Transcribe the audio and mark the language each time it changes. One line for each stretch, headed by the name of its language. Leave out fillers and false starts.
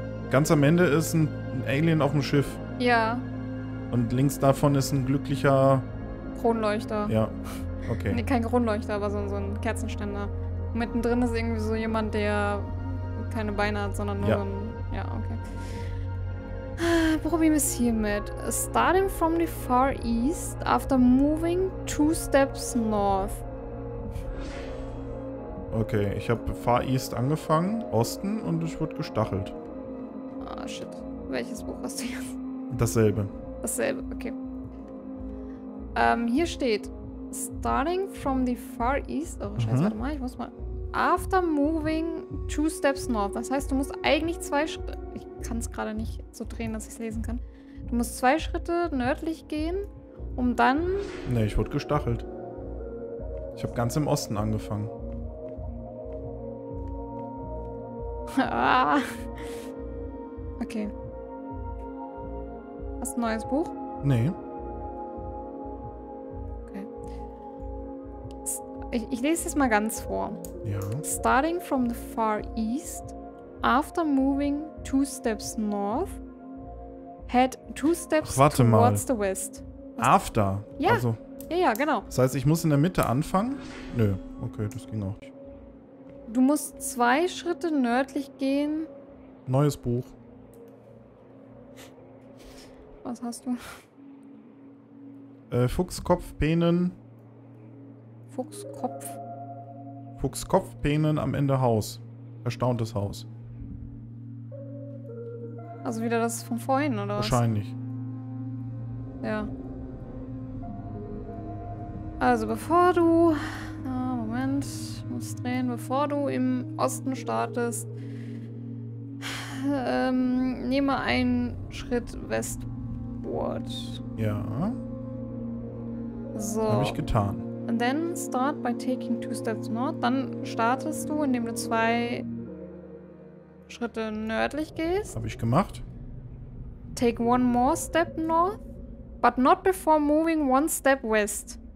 German: Ganz am Ende ist ein Alien auf dem Schiff. Ja. Und links davon ist ein glücklicher... Kronleuchter. Ja. Okay. Nee, kein Kronleuchter, aber so ein Kerzenständer. Und mittendrin ist irgendwie so jemand, der keine Beine hat, sondern nur ja. So ein... Ja, okay. Problem ist hiermit.
English: Starting from the far east after moving 2 steps north.
German: Okay, ich habe far east angefangen, Osten, und ich wurde gestachelt. Ah, shit. Welches Buch hast du jetzt? Dasselbe,
English: okay.
German: Hier steht...
English: Starting from the far east.
German: Oh, scheiße, warte mal, ich muss mal.
English: After moving 2 steps north.
German: Das heißt, du musst eigentlich 2 Schritte. Ich kann es gerade nicht so drehen, dass ich es lesen kann. Du musst 2 Schritte nördlich gehen, um dann. Nee, ich wurde gestachelt. Ich habe ganz im Osten angefangen. Okay. Hast du ein neues Buch? Nee. Ich lese es mal ganz vor. Ja.
English: Starting from the Far East, after moving two steps north, head two steps towards the west.
German: Was? After? Ja. Also, ja, genau. Das heißt, ich muss in der Mitte anfangen? Nö, okay, das ging auch. Du musst zwei Schritte nördlich gehen. Neues Buch. Was hast du? Fuchskopfpenen. Fuchskopf. Fuchskopfpenen am Ende Haus. Erstauntes Haus. Also wieder das von vorhin, oder wahrscheinlich. Was? Ja. Also bevor du... Moment, ich muss drehen. Bevor du im Osten startest, nehme einen Schritt westward. Ja. So. Habe ich getan.
English: And then start by taking two steps north.
German: Dann startest du, indem du zwei Schritte nördlich gehst. Habe ich gemacht.
English: Take one more step north, but not before moving one step west.